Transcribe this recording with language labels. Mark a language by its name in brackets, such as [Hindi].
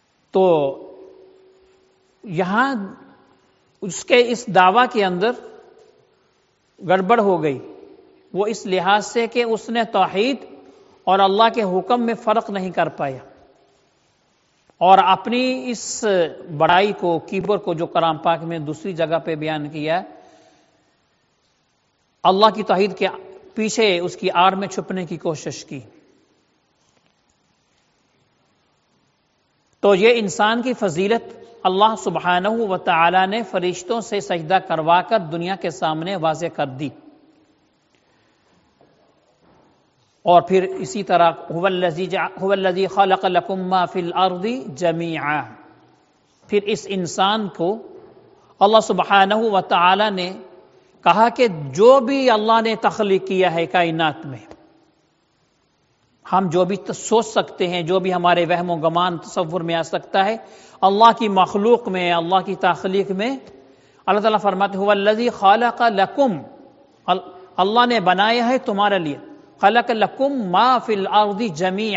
[Urdu] تو یہاں اس کے اس دعویٰ کے اندر گڑبڑ ہو گئی، وہ اس لحاظ سے کہ اس نے توحید اور اللہ کے حکم میں فرق نہیں کر پایا، اور اپنی اس بڑائی کو، کبر کو، جو قرآن پاک میں دوسری جگہ پہ بیان کیا، اللہ کی توحید کے پیچھے اس کی آڑ میں چھپنے کی کوشش کی. تو یہ انسان کی فضیلت اللہ سبحانہ و تعالی نے فرشتوں سے سجدہ کروا کر دنیا کے سامنے واضح کر دی. اور پھر اسی طرح [Arabic] هو الذي خلق لكم ما في الارض جميعا، [Urdu] پھر اس انسان کو اللہ سبحانہ و تعالی نے کہا کہ جو بھی اللہ نے تخلیق کیا ہے کائنات میں، ہم جو بھی سوچ سکتے ہیں، جو بھی ہمارے وہم و گمان تصور میں آ سکتا ہے، اللہ کی مخلوق میں، اللہ کی تخلیق میں، اللہ تعالیٰ فرماتے ہیں [Arabic] الذی خلق لکم، [Urdu] اللہ نے بنایا ہے تمہارے لیے، [Arabic] خلق لکم ما فی الارض جمیعا.